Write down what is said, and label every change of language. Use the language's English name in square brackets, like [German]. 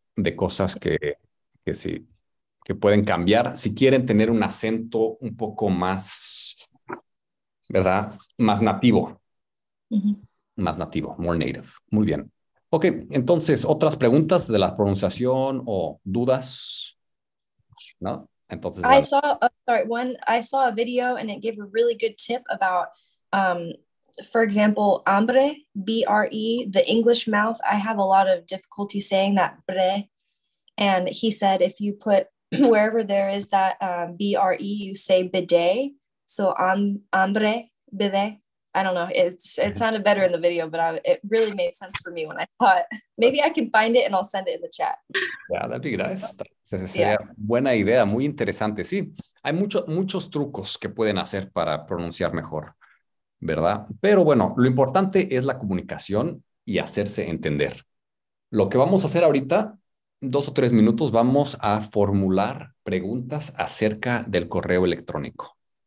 [Spanish] De cosas que sí, que pueden cambiar. Si quieren tener un acento un poco más, ¿verdad? Más nativo. Mm-hmm. Más nativo, [English] more native. [Spanish] Muy bien. Ok, entonces, ¿otras preguntas de la pronunciación o dudas? ¿No? Entonces, [English] I saw a video and it gave a really good tip about, for example, hambre, B-R-E, the English mouth. I have a lot of difficulty saying that bre. And he said, if you put wherever there is that B-R-E, you say bidet. So hambre, bidet. I don't know. It sounded better in the video, but it really made sense for me when I saw it. Maybe I can find it and I'll send it in the chat. Yeah, that'd be nice. [Spanish] Sería buena idea, muy interesante. Sí, hay muchos trucos que pueden hacer para pronunciar mejor, ¿verdad? Pero bueno, lo importante es la comunicación y hacerse entender. Lo que vamos a hacer ahorita, 2 o 3 minutos, vamos a formular preguntas acerca del correo electrónico.